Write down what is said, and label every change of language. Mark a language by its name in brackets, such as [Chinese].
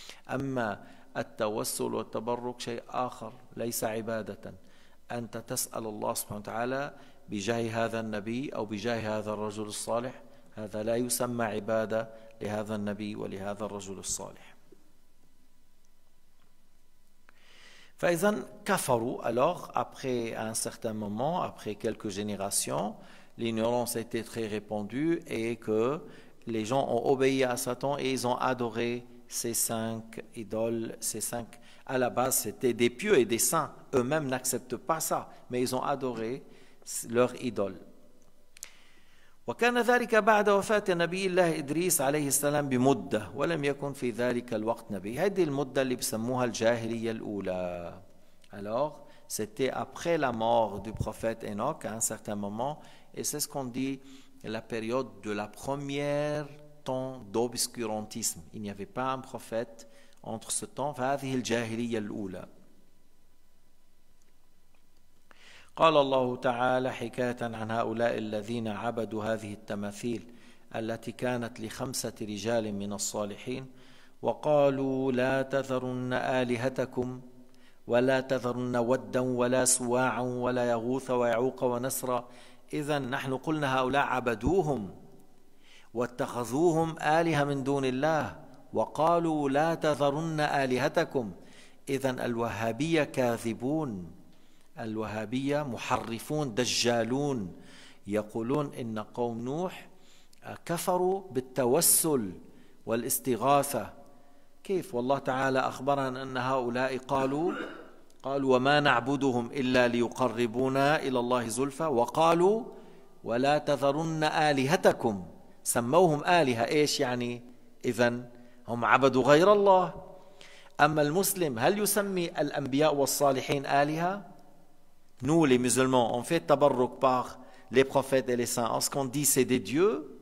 [Arabic] أما التوسل والتبرك شيء آخر، ليس عبادة. أنت تسأل الله سبحانه وتعالى بجاه هذا النبي أو بجاه هذا الرجل الصالح، هذا لا يسمى عبادة لهذا النبي ولهذا الرجل الصالح. فإذا كفروا. [French] alors après un certain moment, après quelques générations, l'ignorance était très répandue et que les gens ont obéi à Satan et ils ont adoré ces cinq idoles, ces cinq. À la base, c'était des pieux et des saints. Eux-mêmes n'acceptent pas ça, mais ils ont adoré leur idole. [Arabic] وكان ذلك بعد وفاة نبي الله إدريس عليه السلام بمدة ولم يكن في ذلك الوقت نبي. هذه المدة اللي بسموها الجاهلية الأولى. [French] alors c'était après la mort du prophète Enoch à un certain moment et c'est ce qu'on dit la période de la première temps d'obscurantisme. il n'y avait pas un prophète entre ce temps. [Arabic] هذه الجاهلية الأولى. قال الله تعالى حكاية عن هؤلاء الذين عبدوا هذه التماثيل التي كانت لخمسة رجال من الصالحين وقالوا لا تذرن آلهتكم ولا تذرن ودا ولا سواعا ولا يغوث ويعوق ونسرا. إذن نحن قلنا هؤلاء عبدوهم واتخذوهم آلهة من دون الله وقالوا لا تذرن آلهتكم. إذن الوهابية كاذبون، الوهابية محرفون دجالون، يقولون إن قوم نوح كفروا بالتوسل والاستغاثة. كيف؟ والله تعالى أخبرنا أن هؤلاء قالوا وما نعبدهم إلا ليقربونا إلى الله زلفى وقالوا ولا تذرن آلهتكم. سموهم آلهة، إيش يعني؟ إذن هم عبدوا غير الله. أما المسلم هل يسمي الأنبياء والصالحين آلهة؟ [French] Nous, les musulmans, on fait tabarruk par les prophètes et les saints. Est-ce qu'on dit c'est des dieux?